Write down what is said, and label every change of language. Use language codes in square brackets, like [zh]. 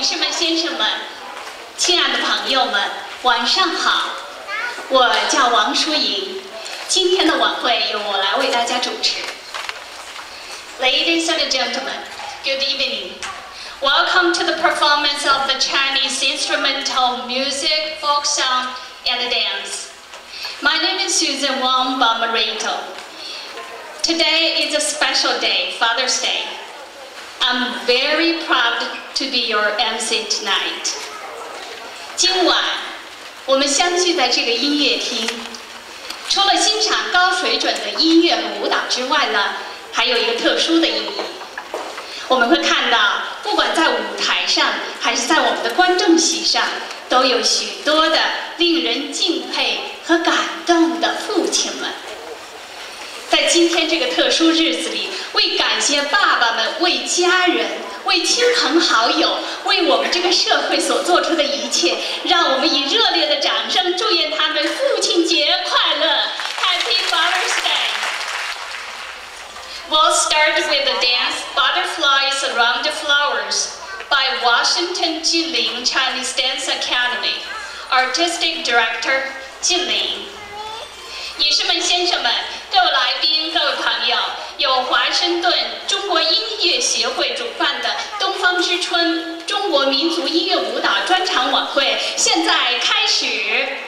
[zh] 先生们，亲爱的朋友们，晚上好，我叫王淑莹，今天的晚会由我来为大家主持。 [en] Ladies and gentlemen, good evening. Welcome to the performance of the Chinese instrumental music, folk song and dance. My name is Susan Wong Bomarito. Today is a special day, Father's Day. I'm very proud to be your MC tonight. [zh] 今晚我们相聚在这个音乐厅，除了欣赏高水准的音乐和舞蹈之外呢，还有一个特殊的意义。我们会看到，不管在舞台上还是在我们的观众席上，都有许多的令人敬佩和感动的父亲们。在今天这个特殊日子里，为感谢爸爸们为家人、为亲朋好友、为我们这个社会所做出的一切，让我们以热烈的掌声祝愿他们父亲节快乐 ！ [en] Happy Father's Day! We'll start with the dance "Butterflies Around the Flowers" by Washington Jilin Chinese Dance Academy, Artistic Director Jilin。 [zh] 女士们、先生们、各位来宾、各位朋友，由华盛顿中国音乐协会主办的“东方之春”中国民族音乐舞蹈专场晚会现在开始。